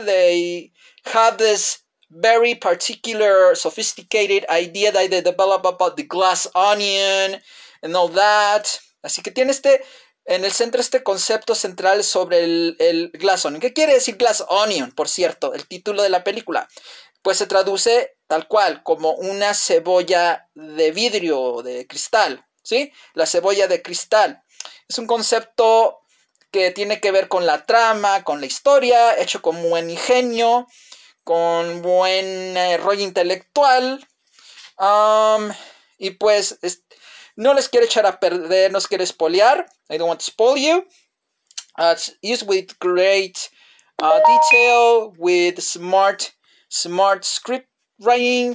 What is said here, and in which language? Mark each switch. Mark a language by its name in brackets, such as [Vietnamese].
[English] They have this very particular, sophisticated idea that they develop about the glass onion and all that. [Spanish] Así que tiene en el centro este concepto central sobre el glass onion. ¿Qué quiere decir glass onion, por cierto, el título de la película? Pues se traduce tal cual, como una cebolla de vidrio, de cristal, ¿sí? La cebolla de cristal. Es un concepto que tiene que ver con la trama, con la historia, hecho con buen ingenio, con buen rollo intelectual. Y pues, no les quiero echar a perder, no les quiero spoilear. [English] I don't want to spoil you. It's used with great detail, with smart script writing.